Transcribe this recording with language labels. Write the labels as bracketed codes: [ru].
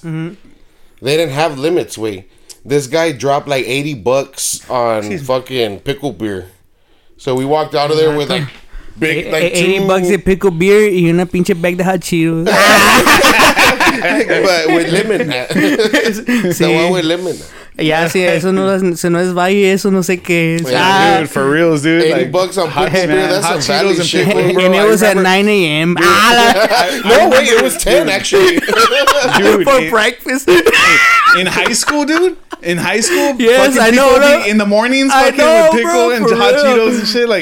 [en] Mm-hmm. They didn't have limits, wait. This guy dropped, like, $80 on fucking pickle beer. So we walked out of there with, like, big, like, $80 of pickle beer and you're not pinching back the hot Cheetos. But with lemon. The one with lemon. [es] Yeah, sí, eso no es, no es valle, eso no sé qué es. [en] Yeah, ah, dude, for real, dude. $80 on pickle beer, that's some valley shit, bro. And it was at 9 a.m. No, wait, it was 10, actually. Dude, for breakfast. In high school, dude? In high school? Yes, I know. Be in the mornings, fucking know, with pickle, bro, and hot Cheetos and shit. Like,